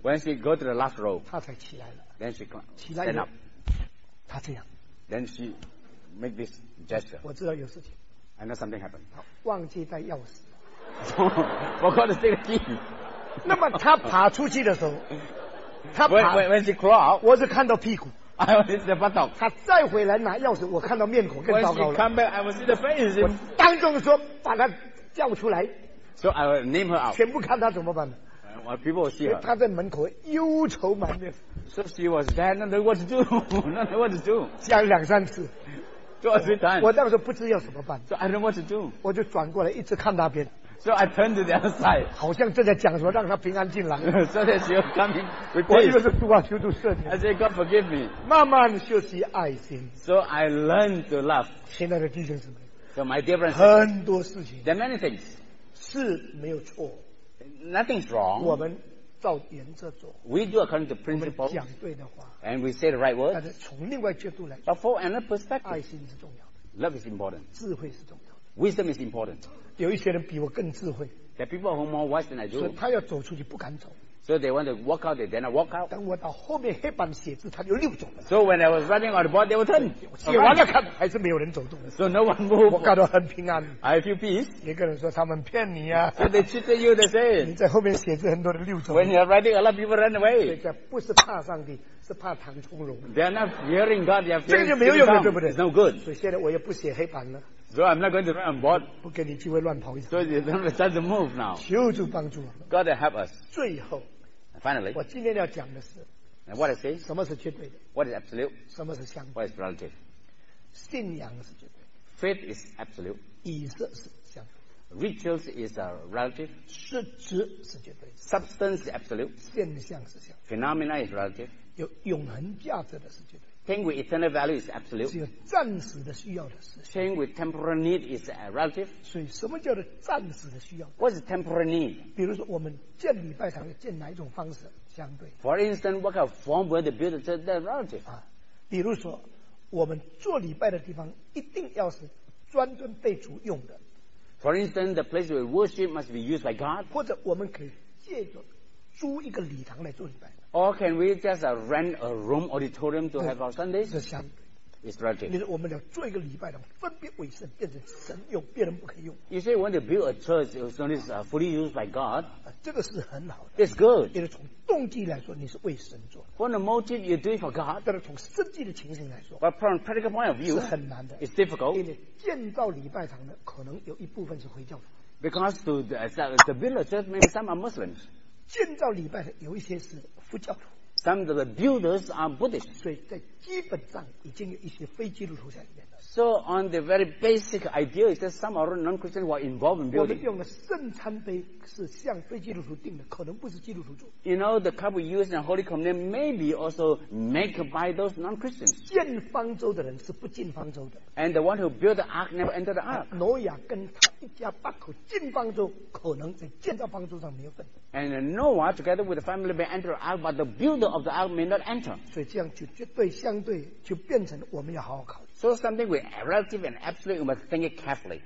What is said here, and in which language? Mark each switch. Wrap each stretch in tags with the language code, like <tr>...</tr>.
<en>When she go to the last row</en> <zh>他才起来了</zh> <en>Then she come,</en> <zh>起来</zh> <en>stand up</en> <zh>他这样</zh> <en>Then she make this gesture</en> <zh>我知道有事情</zh> <en>I know something happened</en> <zh>他忘记带钥匙</zh> <en>forgot to take the key</en> <zh>那么他爬出去的时候他爬</zh> <en>when she crawl out</en> <zh>我是看到屁股</zh> <en>I was in the buttock</en> <zh>他再回来拿钥匙我看到面孔更糟糕了</zh> <en>When she come back I was in the face</en> <zh>我当众说把他叫出来</zh> <en>So I will name her out.</en> <zh>全部看她怎么办呢</zh> <en>well, people will see her.</en> <zh>她在门口忧愁满面。</zh> <en>So she was there, not knowing what to do. Not knowing what to do.</en> <zh>想两三次。</zh> <en>Two or three times.</en> <zh>我当时不知要怎么办。</zh> <en>So I don't know what to do.</en> <zh>我就转过来一直看那边。</zh> <en>So I turned to the other side.</en> <zh>好像正在讲什么让她平安进来。</zh> <en>So that she will come in.</en> <zh>我以为是主啊求主赦免。</zh> <en>I said, God forgive me.</en> <zh>慢慢学习爱心。</zh> <en>So I learned to love.</en> <zh>现在的弟兄姊妹。</zh> <en>So my dear friends.</en> <zh>很多事情。</zh> <en>There are many things.</en> <zh>是没有错</zh> <en>Nothing's wrong</en> <zh>我们照原则做</zh> <en>We do according to principle</en> <zh>讲对的话</zh> <en>And we say the right words</en> <zh>但是从另外角度来</zh> <en>But for another perspective</en> <zh>爱心是重要的</zh> <en>Love is important</en> <zh>智慧是重要的</zh> <en>Wisdom is important</en> <zh>有一些人比我更智慧</zh> <en>The people who are more wise than I do</en> <zh>所以他要走出去不敢走</zh> <en>So they want to walk out They cannot walk out</en> <zh>等我到后面黑板写字他就溜走了</zh> <en>So when I was writing on the board They will turn</en> <zh>写完了看还是没有人走动</zh> <en>So no one moved</en> <zh>我感到很平安</zh> <en>I feel peace</en> <zh>一个人说他们骗你啊</zh> <en>So they cheated you they say</en> <zh>你在后面写字很多人溜走</zh> <en>When you are writing a lot of people run away</en> <zh>所以这不是怕上帝是怕唐从容</zh> <en>They are not fearing God They are fearing</en> <zh>这个就没有用了对不对</zh> <en>It's no good</en> <zh>所以现在我也不写黑板了</zh> <en>So I'm not going to run on board.</en> <zh>不给你机会乱跑一</zh> <en>场。So you don't start to move now.</en> <zh>求主帮助。</zh> <en>God help us.</en> <zh>最后。</zh> <en>Finally.</en> <zh>我今天要讲的是。</zh> <en>And what I say?</en> <zh>什么是绝对的</zh> <en>？What is absolute?</en> <zh>什么是相对</zh> <en>？What is relative?</en> <zh>信仰是绝对。</zh> <en>Faith is absolute.</en> <zh>仪式是相对。</zh> <en>Rituals is a relative.</en> <zh>实质是绝对。</zh> <en>Substance is absolute.</en> <zh>现象是相对。</zh> <en>Phenomena is relative.</en> <zh>有永恒价值的是绝对。</zh> <en>Thing with eternal value is absolute.</en> <zh>只有暂时的需要的是。</zh> <en>Thing with temporal need is relative.</en> <zh>所以什么叫做暂时的需要</zh> <en>？What is temporal need?</en> <zh>比如说我们建礼拜堂要建哪一种方式相对</zh> <en>？For instance, what kind of form we have to build that relative?</en> <zh>啊，比如说我们做礼拜的地方一定要是专门被主用的。</zh> <en>For instance, the place we worship must be used by God.</en> <zh>或者我们可以借着租一个礼堂来做礼拜。</zh> <en>Or can we just rent a room auditorium to have our Sundays?</en> <zh>是相对。</zh> <en>It's relative.</en> <zh>你说我们要做一个礼拜堂，分别为圣，变成神用，别人不可以用。</zh> <en>You say when they build a church, it's only fully used by God.</en> <zh>这个是很好的。</zh> <en>It's good.</en> <zh>就是从动机来说，你是为神做的。</zh> <en>From the motive, you do it for God.</en> <zh>但是从实际的情形来说</zh> <en>，But from practical point of view,</en> <zh>是很难的。</zh> <en>It's difficult.</en> <zh>因为建造礼拜堂的可能有一部分是回教徒。</zh> <en>Because to the build a church, maybe some are Muslims.</en> <zh>建造礼拜的有一些是佛教徒</zh> <en>Some of the builders are Buddhists.</en> <zh>所以在基本上已经有一些非基督徒在里面了。</zh> <en>So on the very basic idea is that some are non-Christians who are involved in building.</en> <zh>我们用的圣餐杯是向非基督徒订的，可能不是基督徒做。</zh> <en>You know, the cup we use in Holy Communion may be also made by those non-Christians.</en> <zh>建方舟的人是不进方舟的。</zh> <en>And the one who built the ark never entered the ark.</en> <zh>挪亚跟他一家八口进方舟，可能在建造方舟上没有份。</zh> <en>And Noah together with the family may enter the ark, but the builder of the ark may not enter.</en> <zh>所以这样就绝对相对就变成我们要好好考虑。</zh> <en>So something with relative and absolute, you must think it carefully.</en>